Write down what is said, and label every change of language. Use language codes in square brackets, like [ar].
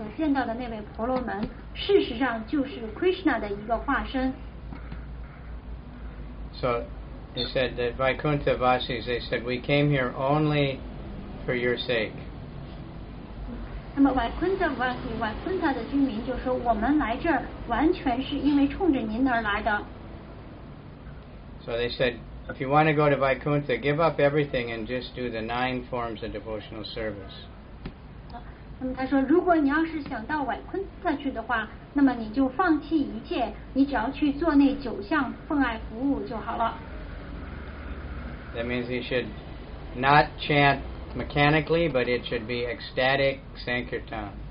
[zh] 那么他们说，他的这个灵性导师，就是他在文达本所见到的那位婆罗门，事实上就是 Krishna 的一个化身。 [en] So. He said that Vaikuntha Vasis, they said, "We came here only for your sake." [zh] 那么Vaikuntha的居民就说，我们来这儿完全是因为冲着您而来的。 [en] So they said, "If you want to go to Vaikuntha, give up everything and just do the 9 forms of devotional service." [zh] 那么他说，如果你要是想到Vaikuntha去的话，那么你就放弃一切，你只要去做那9项奉爱服务就好了。 [en] That means he should not chant mechanically, but it should be ecstatic sankirtan.